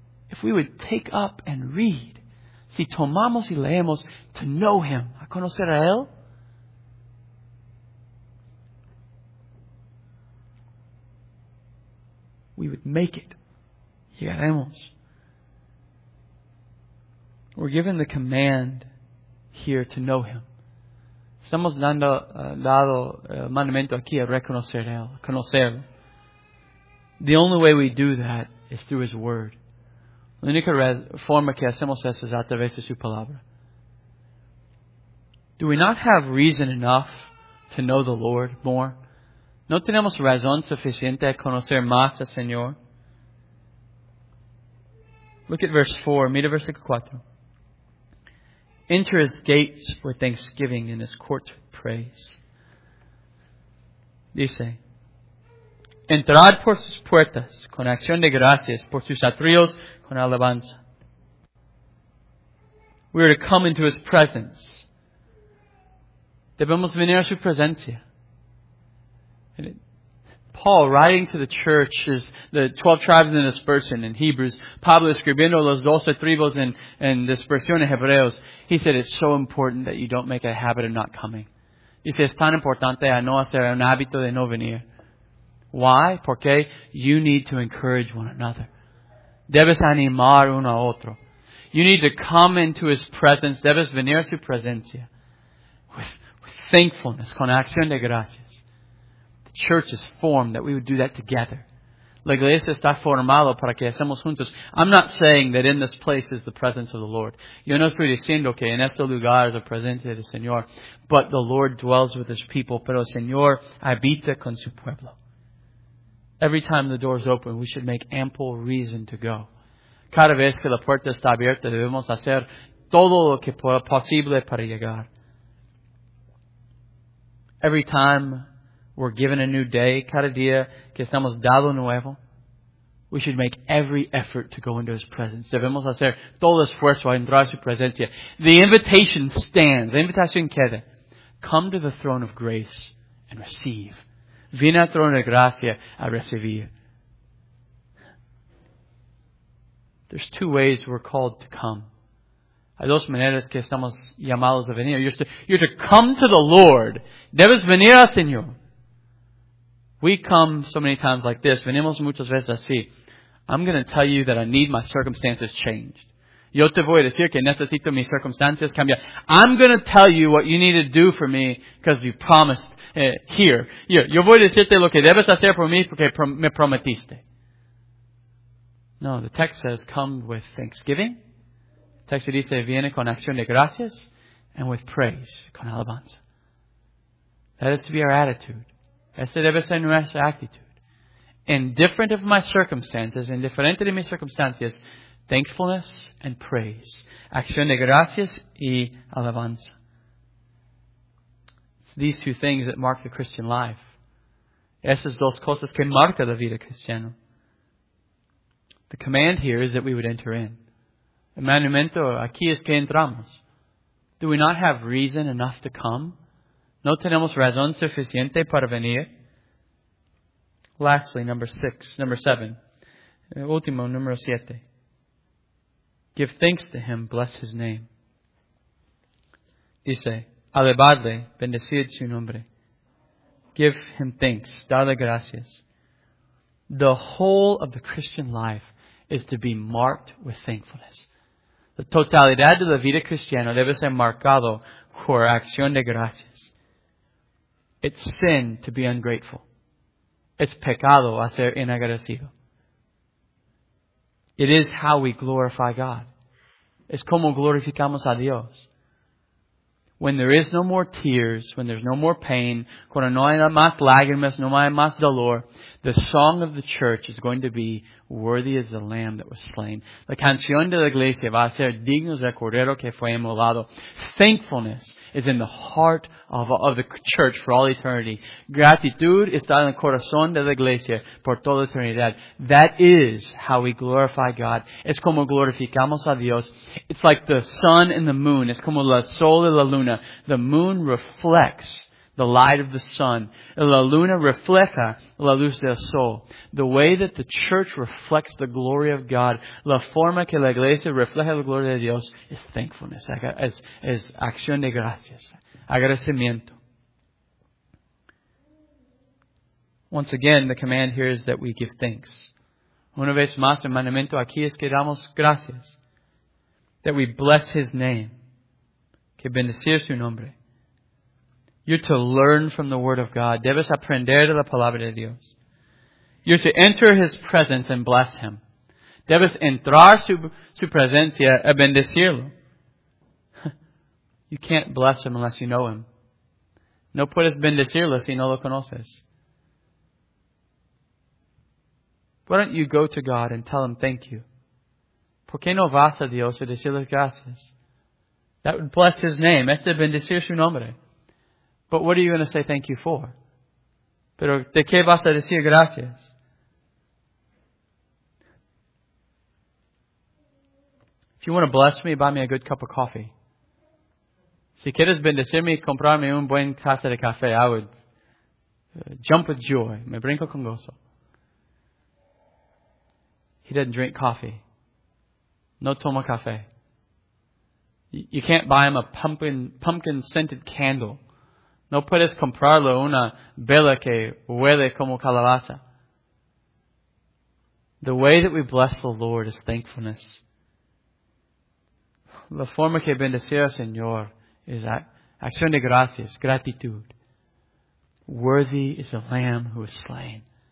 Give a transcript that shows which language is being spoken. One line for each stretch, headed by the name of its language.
English: If we would take up and read,
Spanish: si tomamos y leemos,
English: to know Him,
Spanish: a conocer a Él,
English: we would make it.
Spanish: Llegaremos.
English: We're given the command here to know Him.
Spanish: Estamos dando dado el mandamiento aquí a reconocer a Él, a conocer.
English: The only way we do that is through His Word.
Spanish: La única forma que hacemos eso es a través de su palabra.
English: Do we not have reason enough to know the Lord more?
Spanish: ¿No tenemos razón suficiente a conocer más al Señor?
English: Look at verse 4.
Spanish: Mira versículo 4.
English: Enter His gates with thanksgiving and His courts with praise.
Spanish: Dice, entrad por sus puertas con acción de gracias, por sus atrios con alabanza.
English: We are to come into His presence.
Spanish: Debemos venir a su presencia.
English: And Paul, writing to the church, is the 12 tribes in dispersion in Hebrews.
Spanish: Pablo escribiendo los 12 tribos en dispersión en Hebreos.
English: He said, it's so important that you don't make a habit of not coming. He says,
Spanish: es tan importante a no hacer un hábito de no venir.
English: Why?
Spanish: Porque
English: you need to encourage one another.
Spanish: Debes animar uno a otro.
English: You need to come into His presence.
Spanish: Debes venir a su presencia.
English: With thankfulness.
Spanish: Con acción de gracias.
English: The church is formed that we would do that together.
Spanish: La iglesia está formada para que hacemos juntos.
English: I'm not saying that in this place is the presence of the Lord.
Spanish: Yo no estoy diciendo que en este lugar es la presencia del Señor.
English: But the Lord dwells with His people.
Spanish: Pero el Señor habita con su pueblo.
English: Every time the door is open, we should make ample reason to go.
Spanish: Cada vez que la puerta está abierta, debemos hacer todo lo que posible para llegar.
English: Every time we're given a new day,
Spanish: cada día que estamos dado nuevo,
English: we should make every effort to go into His presence.
Spanish: Debemos hacer todo esfuerzo a entrar a su presencia.
English: The invitation stands.
Spanish: La invitación queda.
English: Come to the throne of grace and receive.
Spanish: Viene al trono de gracia a recibir.
English: There's two ways we're called to come.
Spanish: Hay dos maneras que estamos llamados a venir.
English: You're to come to the Lord.
Spanish: Debes venir al Señor.
English: We come so many times like this.
Spanish: Venimos muchas veces así.
English: I'm going to tell you that I need my circumstances changed.
Spanish: Yo te voy a decir que necesito mis circunstancias cambiar.
English: I'm going to tell you what you need to do for me because you promised here.
Spanish: Yo voy a decirte lo que debes hacer por mí porque me prometiste.
English: No, the text says, come with thanksgiving. The text
Spanish: dice, viene con acción de gracias
English: and with praise,
Spanish: con alabanza.
English: That is to be our attitude.
Spanish: Ese debe ser nuestra actitud.
English: Indifferent of my circumstances,
Spanish: indiferente de mis circunstancias,
English: thankfulness and praise.
Spanish: Acción de gracias y alabanza.
English: It's these two things that mark the Christian life.
Spanish: Esas dos cosas que marca la vida cristiana.
English: The command here is that we would enter in.
Spanish: El mandamiento aquí es que entramos.
English: Do we not have reason enough to come?
Spanish: ¿No tenemos razón suficiente para venir?
English: Lastly, number 6, number 7.
Spanish: Último, número 7.
English: Give thanks to him, bless his name.
Spanish: Dice, alabadle, bendecid su nombre.
English: Give him thanks,
Spanish: dale gracias.
English: The whole of the Christian life is to be marked with thankfulness.
Spanish: La totalidad de la vida cristiana debe ser marcado por acción de gracias.
English: It's sin to be ungrateful. It's
Spanish: pecado a ser inagradecido.
English: It is how we glorify God.
Spanish: Es como glorificamos a Dios.
English: When there is no more tears, when there's no more pain,
Spanish: cuando no hay más lágrimas, no hay más dolor,
English: the song of the church is going to be worthy as the lamb that was slain.
Spanish: La canción de la iglesia va a ser dignos del cordero que fue inmolado.
English: Thankfulness is in the heart of the church for all eternity.
Spanish: Gratitud está en el corazón de la iglesia por toda eternidad.
English: That is how we glorify God.
Spanish: Es como glorificamos a Dios.
English: It's like the sun and the moon.
Spanish: Es como la sol y la luna.
English: The moon reflects the light of the sun.
Spanish: La luna refleja la luz del sol.
English: The way that the church reflects the glory of God,
Spanish: la forma que la iglesia refleja la gloria de Dios,
English: is thankfulness.
Spanish: Es acción de gracias. Agradecimiento.
English: Once again, the command here is that we give thanks.
Spanish: Una vez más, el mandamiento aquí es que damos gracias.
English: That we bless His name.
Spanish: Que bendecir su nombre.
English: You're to learn from the Word of God.
Spanish: Debes aprender de la Palabra de Dios.
English: You're to enter His presence and bless Him.
Spanish: Debes entrar su presencia y bendecirlo.
English: You can't bless Him unless you know Him.
Spanish: No puedes bendecirlo si no lo conoces.
English: Why don't you go to God and tell Him thank you?
Spanish: ¿Por qué no vas a Dios y decirle gracias?
English: That would bless His name.
Spanish: Es de bendecir su nombre.
English: But what are you going to say thank you for?
Spanish: Pero de qué vas a decir gracias?
English: If you want to bless me, buy me a good cup of coffee.
Spanish: Si quieres bendecirme y comprarme un buen taza de café,
English: I would jump with joy.
Spanish: Me brinco con gozo.
English: He doesn't drink coffee.
Spanish: No toma café.
English: You can't buy him a pumpkin scented candle.
Spanish: No puedes comprarlo una vela que huele como calabaza.
English: The way that we bless the Lord is thankfulness.
Spanish: La forma que bendecir al Señor es acción de gracias, gratitud.
English: Worthy is the lamb who is slain.